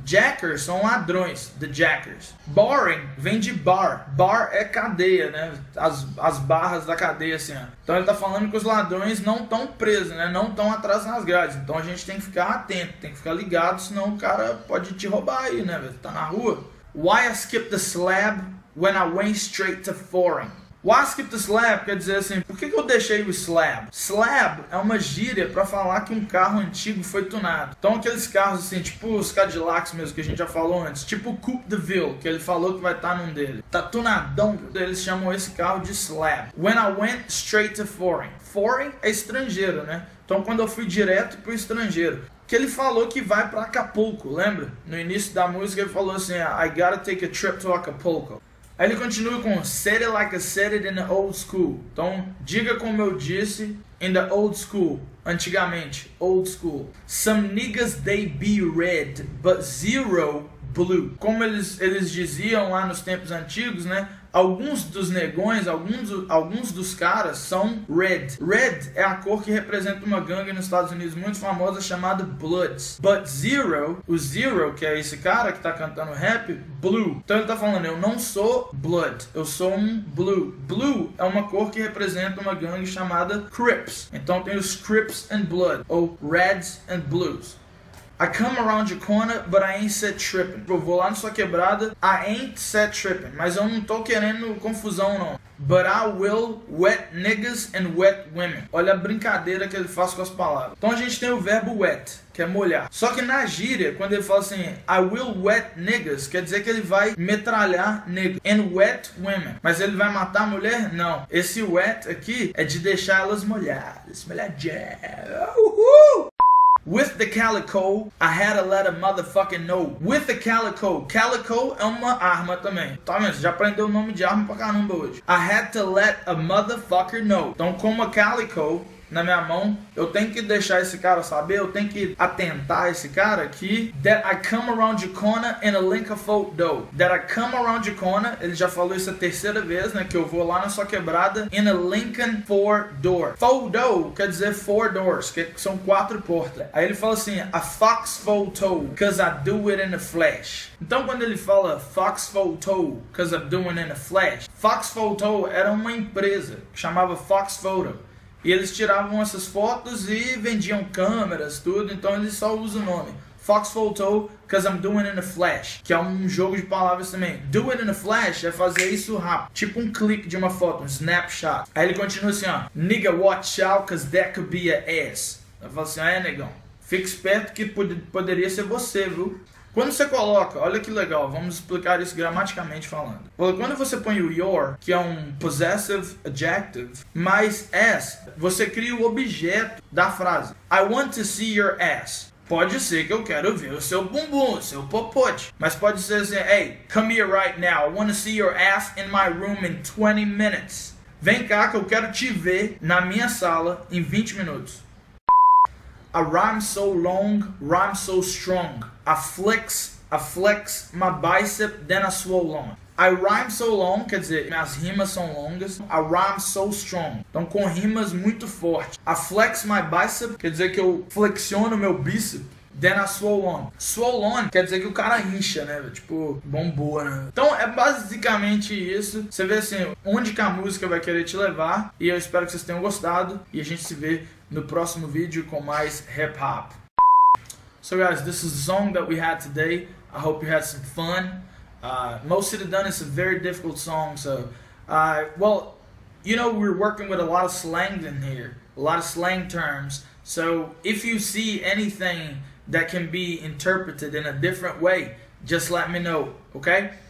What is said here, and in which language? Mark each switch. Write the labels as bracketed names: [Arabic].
[Portuguese] Jackers são ladrões, the Jackers. Boring vem de bar. Bar é cadeia, né, as barras da cadeia, assim, ó. Então ele tá falando que os ladrões não tão presos, né, não tão atrás nas grades. Então a gente tem que ficar atento, tem que ficar ligado, senão o cara pode te roubar aí, né, tá na rua. [English] Why I skip the slab when I went straight to foreign? Why skip the slab? [Portuguese] Quer dizer assim, por que eu deixei o slab? Slab é uma gíria pra falar que um carro antigo foi tunado. Então aqueles carros assim, tipo os Cadillacs mesmo que a gente já falou antes, tipo o Coupe de Ville, que ele falou que vai estar num dele. Tá tunadão, eles chamam esse carro de slab. [English] When I went straight to foreign. [Portuguese] Foreign é estrangeiro, né? Então quando eu fui direto pro estrangeiro. Que ele falou que vai pra Acapulco, lembra? No início da música ele falou assim, [English] I gotta take a trip to Acapulco. [Portuguese] Aí ele continua com, [English] said it like I said it in the old school. [Portuguese] Então, diga como eu disse, [English] in the old school, [Portuguese] antigamente, old school. [English] Some niggas they be red, but zero blue. [Portuguese] Como eles diziam lá nos tempos antigos, né? Alguns dos negões, alguns dos caras são red. Red é a cor que representa uma gangue nos Estados Unidos muito famosa chamada Bloods. But Zero, o Zero, que é esse cara que tá cantando rap, blue. Então ele tá falando, eu não sou Blood, eu sou um Blue. Blue é uma cor que representa uma gangue chamada Crips. Então tem os Crips and Blood, ou Reds and Blues. [English] I come around your corner, but I ain't set tripping. [Portuguese] Eu vou lá na sua quebrada, [English] I ain't set tripping. [Portuguese] Mas eu não tô querendo confusão, não. [English] But I will wet niggas and wet women. [Portuguese] Olha a brincadeira que ele faz com as palavras. Então a gente tem o verbo wet, que é molhar. Só que na gíria, quando ele fala assim, [English] I will wet niggas, [Portuguese] quer dizer que ele vai metralhar niggas [English] and wet women. [Portuguese] Mas ele vai matar a mulher? Não. Esse wet aqui é de deixar elas molhadas. Molhadinhas. Uhul! [English] With the calico, I had to let a motherfucking know. With the calico. [Portuguese] Calico é uma arma também. Tá vendo? Já aprendeu o nome de arma pra caramba hoje. [English] I had to let a motherfucker know. [Portuguese] Então, com uma calico, na minha mão. Eu tenho que deixar esse cara saber, eu tenho que atentar esse cara aqui. [English] That I come around the corner and a link of old dough. That I come around the corner, [Portuguese] ele já falou isso a terceira vez, né? Que eu vou lá na sua quebrada. [English] In a Lincoln four door. [Portuguese] Four door quer dizer four doors, que são quatro portas. Aí ele fala assim, [English] a fox four toe, cause I do it in the flesh. [Portuguese] Então quando ele fala fox four toe, [English] cause I'm doing it in the flesh. [Portuguese] Fox four toe era uma empresa que chamava Fox Photo. E eles tiravam essas fotos e vendiam câmeras, tudo. Então eles só usam o nome. [English] Fox Photo, because I'm doing it in a flash. [Portuguese] Que é um jogo de palavras também. [English] Do it in a flash [Portuguese] é fazer isso rápido. Tipo um clique de uma foto, um snapshot. Aí ele continua assim, ó. [English] Nigga, watch out, because that could be a ass. [Portuguese] Ele fala assim, é, negão. Fica esperto que poderia ser você, viu? Quando você coloca, olha que legal, vamos explicar isso gramaticamente falando. Quando você põe o your, que é um possessive adjective, mais s, você cria o objeto da frase. [English] I want to see your ass. [Portuguese] Pode ser que eu quero ver o seu bumbum, o seu popote. Mas pode ser assim, [English] hey, come here right now. I want to see your ass in my room in 20 minutes. [Portuguese] Vem cá que eu quero te ver na minha sala em 20 minutos. [English] A rhyme so long, rhyme so strong. I flex my bicep, then I swole on. I rhyme so long, [Portuguese] quer dizer, minhas rimas são longas. [English] I rhyme so strong, [Portuguese] então com rimas muito fortes. [English] I flex my bicep, [Portuguese] quer dizer que eu flexiono meu bíceps. [English] Then I swole on. [Portuguese] Swole on quer dizer que o cara incha, né? Tipo, bombou, né? Então é basicamente isso. Você vê assim, onde que a música vai querer te levar. E eu espero que vocês tenham gostado. E a gente se vê no próximo vídeo com mais Hip Hop. [English] So guys, this is the song that we had today. I hope you had some fun. Most of the done is a very difficult song. So, well, you know, we're working with a lot of slang in here. A lot of slang terms. So if you see anything that can be interpreted in a different way, just let me know, okay?